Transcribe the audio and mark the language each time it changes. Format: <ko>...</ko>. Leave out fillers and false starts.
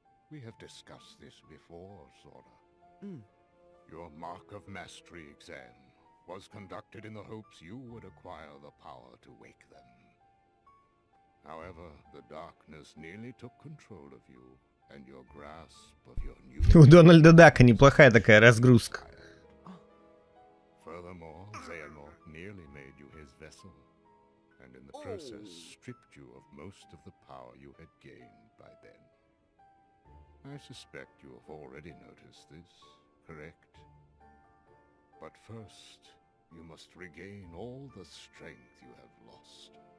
<en>We have discussed this before, Sora. Mm. Your mark of mastery exam was conducted in the hopes you would acquire the power to wake them. However, the darkness nearly took control of you, and your grasp of your new...</en> <ru>У Дональда Дака неплохая такая разгрузка.</ru> <en>Furthermore, Xehanort nearly made you his vessel, and in the process stripped you of most of the power you had gained by then. I suspect you have already noticed this, correct? But first, you must regain all the strength you have lost.</en>